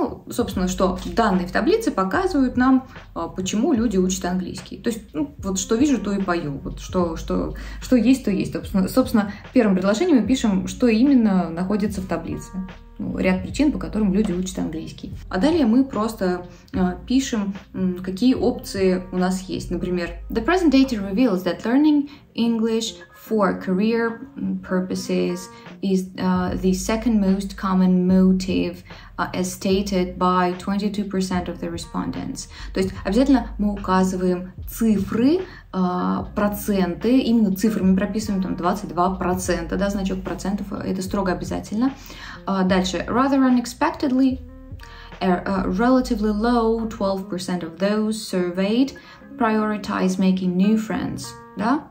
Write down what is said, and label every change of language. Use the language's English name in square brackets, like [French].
[Russian] Собственно, что данные в таблице показывают нам, почему люди учат английский. То есть, вот что вижу, то и пою. Вот что есть, то есть. Собственно, в первом предложении мы пишем, что именно находится в таблице. Ряд причин, по которым люди учат английский. А далее мы просто пишем, какие опции у нас есть. Например, [English] the present data reveals that learning English for career purposes is the second most common motive as stated by 22% of the respondents. [Russian] То есть обязательно мы указываем цифры, проценты, именно цифрами прописываем, там 22%, да, значок процентов, это строго обязательно. Дальше, [English] rather unexpectedly, a relatively low 12% of those surveyed prioritize making new friends. [Russian] Да?